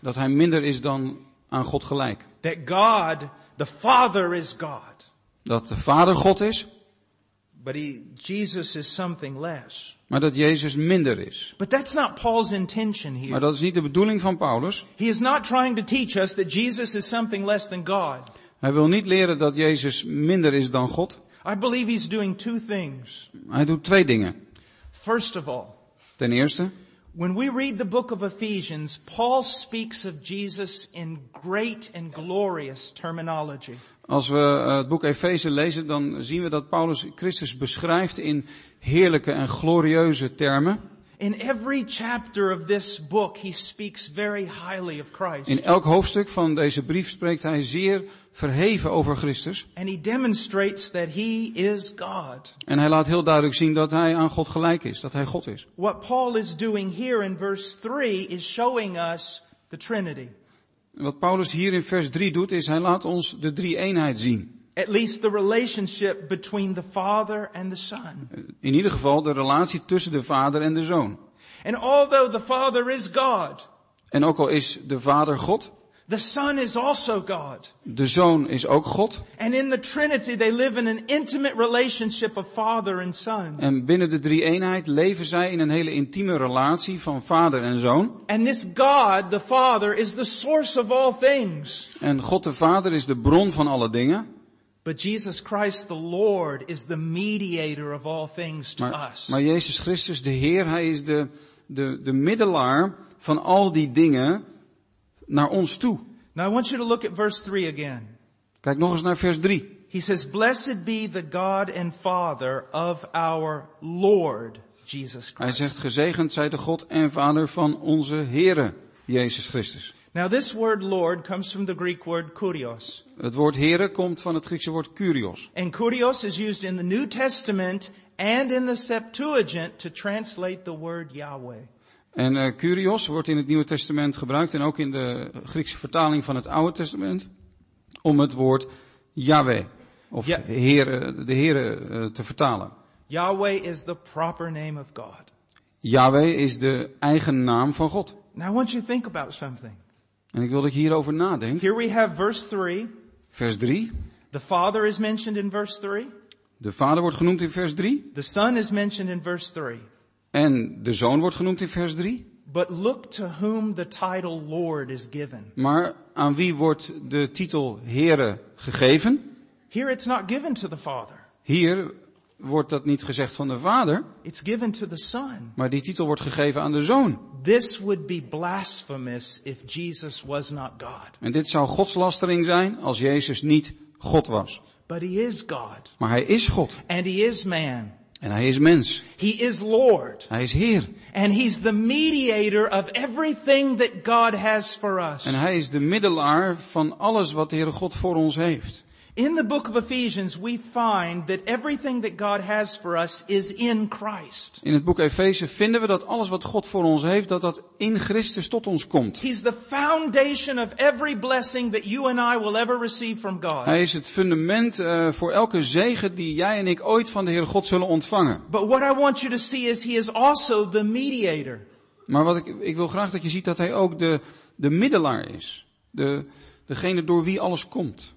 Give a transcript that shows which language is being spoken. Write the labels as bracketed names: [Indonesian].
[Dutch] Dat hij minder is dan aan God gelijk. [English] That God, the Father is God. [Dutch] Dat de Vader God is. [English] But Jesus is something less. [Dutch] Maar dat Jezus minder is. [English] But that's not Paul's intention here. [Dutch] Maar dat is niet de bedoeling van Paulus. [English] He is not trying to teach us that Jesus is something less than God. [Dutch] Hij wil niet leren dat Jezus minder is dan God. [English] I believe he's doing two things. [Dutch] Hij doet twee dingen. [English] First of all, [Dutch] ten eerste, [English] when we read the book of Ephesians, Paul speaks of Jesus in great and glorious terminology. [Dutch] Als we het boek Efeze lezen, dan zien we dat Paulus Christus beschrijft in heerlijke en glorieuze termen. [English] In every chapter of this book, he speaks very highly of Christ. [Dutch] In elk hoofdstuk van deze brief spreekt hij zeer verheven over Christus. [English] And he demonstrates that he is God. [Dutch] En hij laat heel duidelijk zien dat hij aan God gelijk is, dat hij God is. [English] What Paul is doing here in verse 3 is showing us the Trinity. [Dutch] Wat Paulus hier in vers 3 doet, is hij laat ons de drie-eenheid zien. [English] At least the relationship between the Father and the Son. [Dutch] In ieder geval de relatie tussen de Vader en de Zoon. [English] And although the Father is God. [Dutch] En ook al is de Vader God. [English] The Son is also God. [Dutch] De Zoon is ook God. [English] And in the Trinity they live in an intimate relationship of Father and Son. [Dutch] En binnen de drie-eenheid leven zij in een hele intieme relatie van Vader en Zoon. [English] And this God, the Father, is the source of all things. [Dutch] En God de Vader is de bron van alle dingen. [English] But Jesus Christ the Lord is the mediator of all things to us. [Dutch] Maar Jezus Christus de Heer, hij is de middelaar van al die dingen naar ons toe. [English] Now I want you to look at verse 3 again. [Dutch] Kijk nog eens naar vers 3. [English] He says, "Blessed be the God and Father of our Lord Jesus Christ." [Dutch] Hij zegt, gezegend zij de God en Vader van onze Here Jezus Christus. [English] Now this word Lord comes from the Greek word kurios. [Dutch] Het woord Here komt van het Griekse woord kurios. [English] And kurios is used in the New Testament and in the Septuagint to translate the word Yahweh. [Dutch] En kurios wordt in het Nieuwe Testament gebruikt en ook in de Griekse vertaling van het Oude Testament om het woord Yahweh of de Here te vertalen. [English] Yahweh is the proper name of God. [Dutch] Yahweh is de eigen naam van God. [English] Now I want you to think about something. [Dutch] En ik wil dat je hierover nadenkt. [English] Here we have verse 3. [Dutch] Vers 3. [English] The Father is mentioned in verse 3. [Dutch] De Vader wordt genoemd in vers 3. [English] The Son is mentioned in verse 3. [Dutch] En de Zoon wordt genoemd in vers 3. [English] But look to whom the title Lord is given. [Dutch] Maar aan wie wordt de titel Here gegeven? [English] Here it's not given to the Father. [Dutch] Hier wordt dat niet gezegd van de Vader. [English] It's given to the Son. [Dutch] Maar die titel wordt gegeven aan de Zoon. [English] This would be blasphemous if Jesus was not God. [Dutch] En dit zou godslastering zijn als Jezus niet God was. [English] But he is God. [Dutch] Maar hij is God. [English] And he is man. [Dutch] En hij is mens. [English] He is Lord. [Dutch] Hij is Heer. [English] And he's the mediator of everything that God has for us. [Dutch] En hij is de middelaar van alles wat de Heere God voor ons heeft. [English] In the book of Ephesians we find that everything that God has for us is in Christ. [Dutch] In het boek Efeze vinden we dat alles wat God voor ons heeft, dat in Christus tot ons komt. [English] He's the foundation of every blessing that you and I will ever receive from God. [Dutch] Hij is het fundament voor elke zegen die jij en ik ooit van de Heere God zullen ontvangen. [English] But what I want you to see is he is also the mediator. [Dutch] Maar wat ik wil graag dat je ziet dat hij ook de middelaar is. Degene door wie alles komt.